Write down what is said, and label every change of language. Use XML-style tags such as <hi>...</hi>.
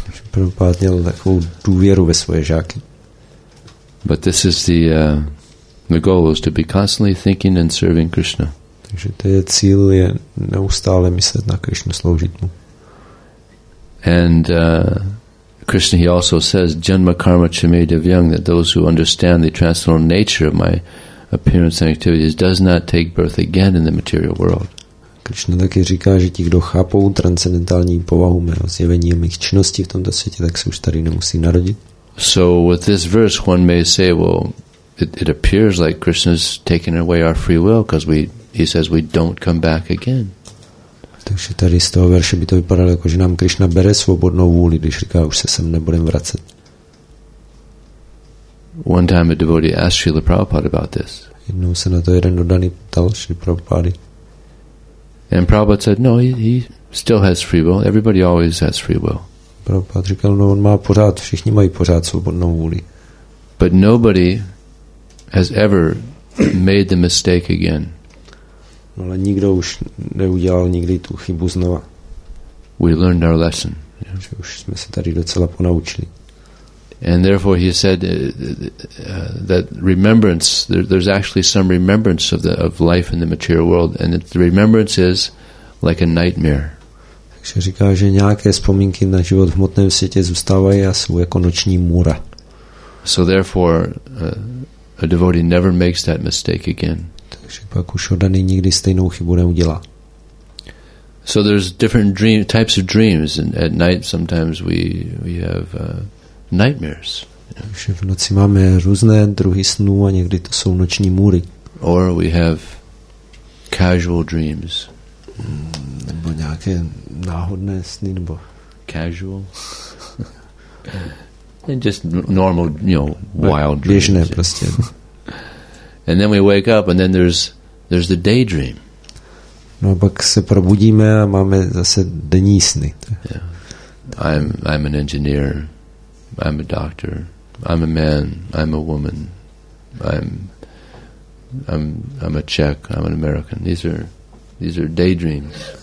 <cs>Prabhupada měl takovou důvěru ve svoje žáky.</cs> <en>But this is the goal is to be constantly thinking and serving Krishna.</en> <cs>Takže to je cíl, je neustále myslet na Krišnu, sloužit mu.</cs> <en>And Krishna he also says</en> <sa>janma karma chame divyang,</sa> <en>that those who understand the transcendental nature of my appearance and activities does not take birth again in the material world.</en> <cs>Krishna taky říká, že ti, kdo chápou transcendentální povahu mého zjevení a mých činností v tomto světě, tak se už tady nemusí narodit.</cs> <en>So with this verse one may say, well, it appears like Krishna's taking away our free will because he says we don't come back again.</en> <cs>Takže tady z toho verše by to vypadalo jako, že nám Krishna bere svobodnou vůli, když říká, už se sem nebudem vracet.</cs> <en>One time a devotee asked Srila Prabhupada about this.</en> <cs>Jednou se na to jeden dodaný ptal Srila Prabhupada.</cs> <en>And Prabhupada said, no, he still has free will. Everybody always has free will.</en> <cs>Prabhupada říkal, no, on má pořád, všichni mají pořád svobodnou vůli.</cs> <en>But nobody has ever made the mistake again.</en> <cs>No, ale nikdo už neudělal nikdy tu chybu znova.</cs> <en>We learned our lesson.</en> <cs>Že už jsme se tady docela ponaučili.</cs> <en>And therefore he said that remembrance, there's actually some remembrance of life in the material world, and the remembrance is like a nightmare.</en> <cs>Takže říká, že nějaké vzpomínky na život v hmotném světě zůstávají a jsou jako noční můra.</cs> <en>So therefore a devotee never makes that mistake again.</en> <cs>Takže pak už oddaný nikdy stejnou chybu neudělá.</cs> <en>So there's different types of dreams, and at night sometimes we have nightmares.</en> <cs>Takže v noci máme různé druhy snů a někdy to jsou noční můry.</cs> <en>Or we have casual dreams.</en> <cs>Nebo nějaké náhodné sny, nebo</cs> <en>casual. And just normal, you know, wild dreams.</en> <cs>Běžné prostě.</cs> <en>And then we wake up and then there's the daydream.</en> <cs>No a pak se probudíme a máme zase denní sny.</cs> <en>Yeah. I'm an engineer. I'm a doctor. I'm a man. I'm a woman. I'm a Czech. I'm an American. These are daydreams.</en>